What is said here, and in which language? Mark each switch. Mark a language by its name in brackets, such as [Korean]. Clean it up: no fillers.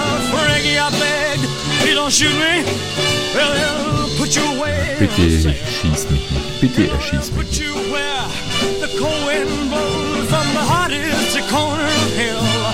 [English] Frankie, I beg, please don't shoot me. Well, put you away. [German] Bitte schieß mich nicht. Bitte erschieß mich nicht. [English] Put you where the cold wind blows from the hottest corner of hell.